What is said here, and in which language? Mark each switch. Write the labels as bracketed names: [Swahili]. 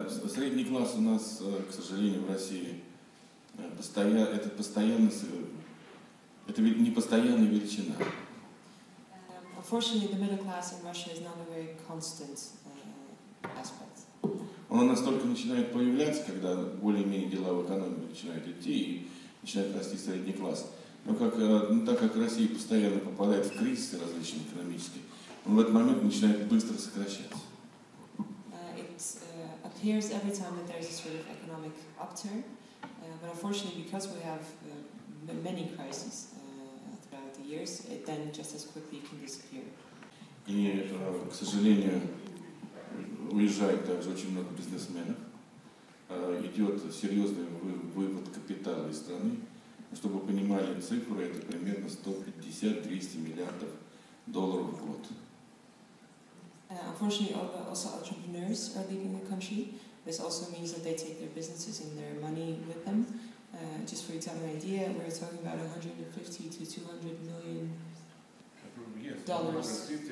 [Russian] Средний класс у нас, к сожалению, в России постоянно, это постоянно, это не постоянная величина. [English] Unfortunately, the middle class in Russia is not a very constant aspect. [Russian] Она настолько начинает появляться, когда более-менее дела в экономике начинают идти и начинает расти средний класс. Но как, ну, так как Россия постоянно попадает в кризисы различные экономические, он в этот момент начинает быстро сокращаться. [English] It appears every time that there is a sort of economic upturn, but unfortunately, because we have many crises throughout the years, it then just as quickly can disappear. [Russian] И, к сожалению, уезжает также очень много бизнесменов. Идет серьезный вывод капитала из страны. Чтобы вы понимали цифру, это примерно 150-200 миллиардов долларов в год. [English] Unfortunately, also entrepreneurs are leaving the country. This also means that they take their businesses and their money with them. Just for you to have an idea, we're talking about 150 to 200 million dollars.